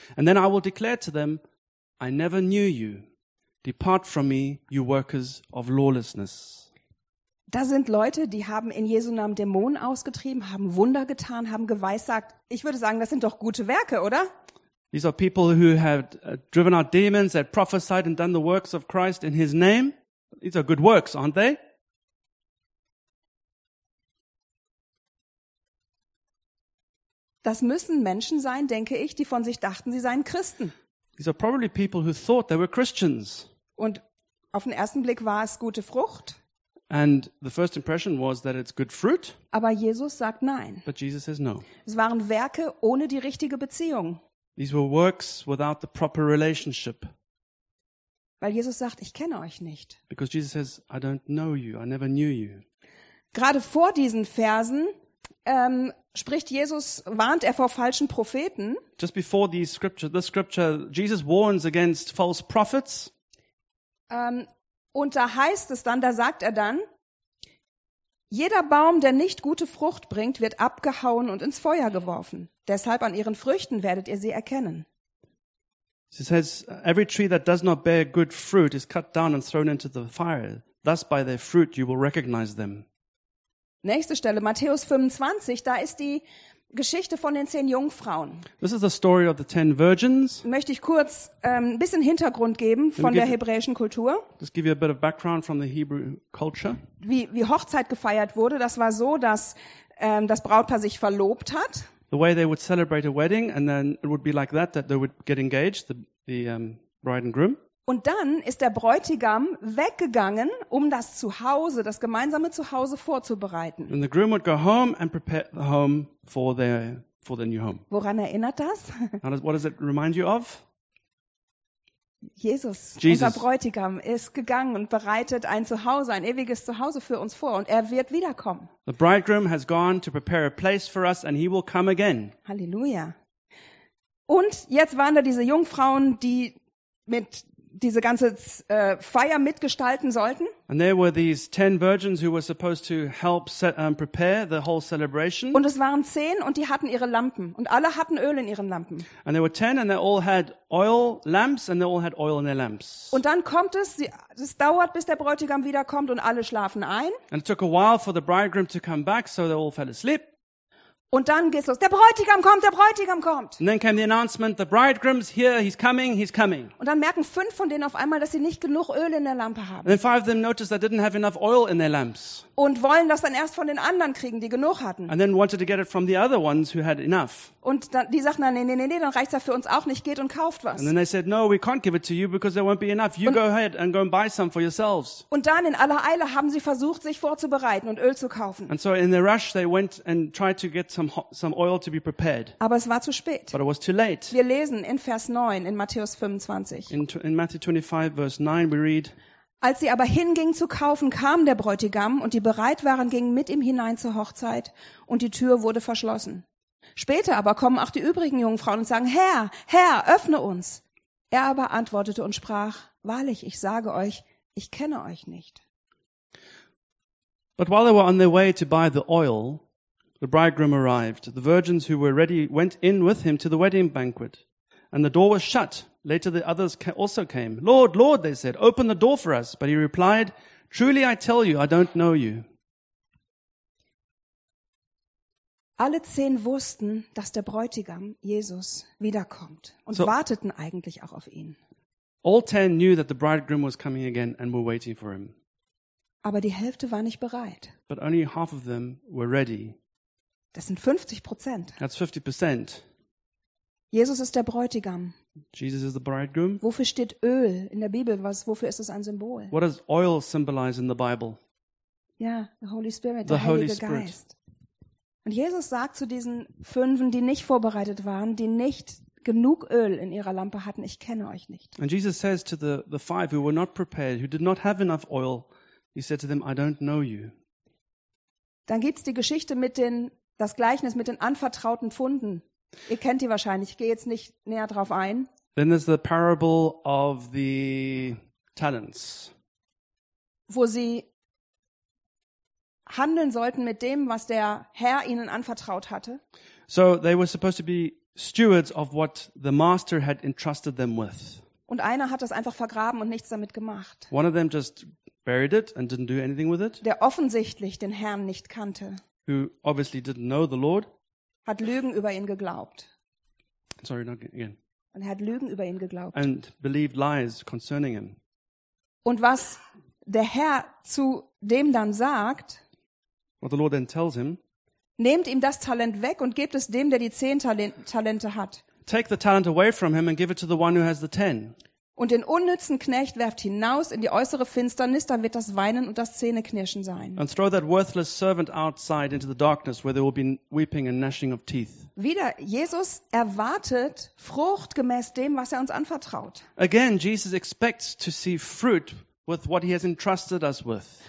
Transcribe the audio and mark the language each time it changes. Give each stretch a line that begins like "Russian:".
English: And then I will declare to them, I never knew you. Depart from me, you workers of lawlessness.
German: Da sind Leute, die haben in Jesu Namen Dämonen ausgetrieben, haben Wunder getan, haben geweissagt. Ich würde sagen, das sind doch gute Werke, oder?
English: These are people who have driven out demons, that prophesied and done the works of Christ in his name. These are good works, aren't they?
German: Das müssen Menschen sein, denke ich, die von sich dachten, sie seien Christen.
English: These are probably people who thought they were Christians.
German: Und auf den ersten Blick war es gute Frucht.
English: And the first impression was that it's good fruit.
German: Aber Jesus sagt nein.
English: But Jesus says no.
German: Es waren Werke ohne die richtige Beziehung.
English: These were works without the proper relationship.
German: Weil Jesus sagt, ich kenne euch nicht.
English: Because Jesus says, I don't know you, I never knew you.
German: Gerade vor diesen Versen spricht Jesus, warnt er vor falschen Propheten.
English: Just before these scripture, this scripture, Jesus warns against false prophets.
German: Und da heißt es dann, da sagt er dann, jeder Baum, der nicht gute Frucht bringt, wird abgehauen und ins Feuer geworfen. Deshalb an ihren Früchten werdet ihr sie erkennen.
English: He says, every tree that does not bear good fruit is cut down and thrown into the fire. Thus by their fruit you will recognize them.
German: Nächste Stelle, Matthäus 25, da ist die Geschichte von den 10 Jungfrauen.
English: This is the story of the 10 virgins.
German: Möchte ich kurz ein bisschen Hintergrund geben von der hebräischen Kultur.
English: Just give you a bit of background from the Hebrew culture.
German: Wie Hochzeit gefeiert wurde, das war so, dass das Brautpaar sich verlobt hat.
English: The way they would celebrate a wedding, and then it would be like that they would get engaged, the bride and groom.
German: Und dann ist der Bräutigam weggegangen, um das Zuhause, das gemeinsame Zuhause vorzubereiten.
English: And the groom would go home and prepare the home for the new home.
German: Woran erinnert das?
English: What does it remind you of?
German: Jesus, unser Bräutigam, ist gegangen und bereitet ein Zuhause, ein ewiges Zuhause für uns vor, und er wird wiederkommen.
English: The bridegroom has gone to prepare a place for us, and he will come again.
German: Halleluja. Und jetzt waren da diese Jungfrauen, die mit diese ganze Feier mitgestalten sollten.
English: And there were these 10 virgins who were supposed to help set and prepare the whole celebration.
German: Und es waren 10 und die hatten ihre Lampen und alle hatten Öl in ihren Lampen.
English: And there were 10 and they all had oil lamps and they all had oil in their lamps.
German: Und dann kommt es, es dauert bis der Bräutigam wiederkommt und alle schlafen ein.
English: And it took a while for the bridegroom to come back, so they all fell asleep.
German: Und dann geht's los. Der Bräutigam kommt, der Bräutigam kommt.
English: And then came the announcement, the bridegroom's here, he's coming, he's coming.
German: Und dann merken 5 von denen auf einmal, dass sie nicht genug Öl in der Lampe haben.
English: And then 5 of them noticed they didn't have enough oil in their lamps.
German: Und wollen das dann erst von den anderen kriegen, die genug hatten.
English: And then wanted to get it from the other ones who had enough.
German: Und dann, die sagten dann, nee, dann reicht's ja für uns auch nicht, geht und kauft was.
English: And then they said, no, we can't give it to you because there won't be enough. You go ahead and go and buy some for yourselves.
German: Und dann in aller Eile haben sie versucht, sich vorzubereiten und Öl zu kaufen.
English: And so in their rush they went and tried to get some oil to be prepared.
German: Aber es war zu spät.
English: But it was too late.
German: Wir lesen in Vers 9 in Matthäus 25.
English: In Matthew 25 verse 9 we read:
German: Als sie aber hingingen zu kaufen, kam der Bräutigam und die bereit waren, gingen mit ihm hinein zur Hochzeit und die Tür wurde verschlossen. Später aber kommen auch die übrigen Jungfrauen und sagen: Herr, Herr, öffne uns. Er aber antwortete und sprach: Wahrlich, ich sage euch, ich kenne euch nicht.
English: But while they were on their way to buy the oil, the bridegroom arrived. The virgins who were ready went in with him to the wedding banquet, and the door was shut. Later the others also came. Lord, Lord, they said, open the door for us. But he replied, truly I tell you, I don't know you.
German: Alle 10 wussten, dass der Bräutigam, Jesus, wiederkommt und so, warteten eigentlich auch auf ihn.
English: All 10 knew that the bridegroom was coming again and were waiting for him.
German: Aber die Hälfte war nicht bereit.
English: But only half of them were ready.
German: Das sind 50%.
English: That's 50%.
German: Jesus ist der Bräutigam.
English: Jesus is the bridegroom.
German: Wofür steht Öl in der Bibel? Wofür ist es ein Symbol?
English: What does oil symbolize in the Bible?
German: Ja,
English: the Holy Spirit,
German: der Heilige Geist. Und Jesus sagt zu diesen 5, die nicht vorbereitet waren, die nicht genug Öl in ihrer Lampe hatten, ich kenne euch nicht.
English: And Jesus says to the 5 who were not prepared, who did not have enough oil, he said to them, I don't know you.
German: Dann gibt's die Geschichte mit den das Gleichnis mit den anvertrauten Pfunden. Ihr kennt die wahrscheinlich. Ich gehe jetzt nicht näher drauf ein.
English: Then there's the parable of the talents.
German: Wo sie handeln sollten mit dem, was der Herr ihnen anvertraut hatte.
English: So they were supposed to be stewards of what the master had entrusted them with.
German: Und einer hat das einfach vergraben und nichts damit gemacht.
English: One of them just buried it and didn't do anything with it.
German: Der offensichtlich den Herrn nicht kannte.
English: Who obviously didn't know the Lord,
German: hat Lügen über ihn geglaubt.
English: Sorry, not again.
German: Und er hat Lügen über ihn geglaubt.
English: And believed lies concerning him.
German: Und was der Herr zu dem dann sagt,
English: what the Lord then tells him,
German: nehmt ihm das Talent weg und gebt es dem, der die 10 Talente hat.
English: Take the talent away from him and give it to the one who has the 10.
German: Und den unnützen Knecht werft hinaus in die äußere Finsternis, dann wird das Weinen und das Zähneknirschen sein.
English: And throw that worthless servant outside into the darkness where there will be weeping and gnashing of teeth.
German: Wieder Jesus erwartet Frucht gemäß dem, was er uns anvertraut.
English: Again Jesus expects to see fruit with what he has entrusted us with.